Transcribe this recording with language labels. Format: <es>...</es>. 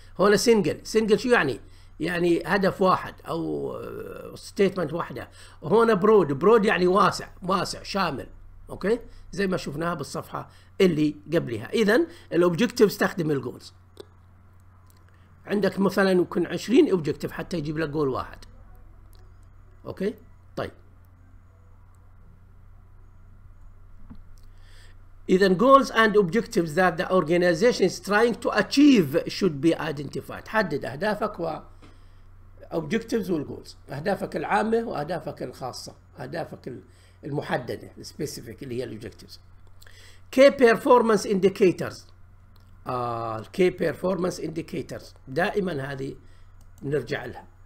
<ar>هون single شو يعني؟ يعني هدف واحد او ستيتمنت واحده. هنا برود يعني واسع شامل. اوكي، زي ما شفناها بالصفحه اللي قبلها. اذا الاوبجكتيف استخدم الجولز، عندك مثلا يكون 20 اوبجكتيف حتى يجيب لك جول واحد. اوكي طيب، اذا</ar> <en>goals and objectives that the organization is trying to achieve should be identified.</en> <ar>حدد اهدافك و objectives والgoals، أهدافك العامة وأهدافك الخاصة، أهدافك المحددة specific اللي هي objectives.</ar> <en>Key performance indicators، key performance indicators</en> <ar>دائما هذه نرجع لها.</ar>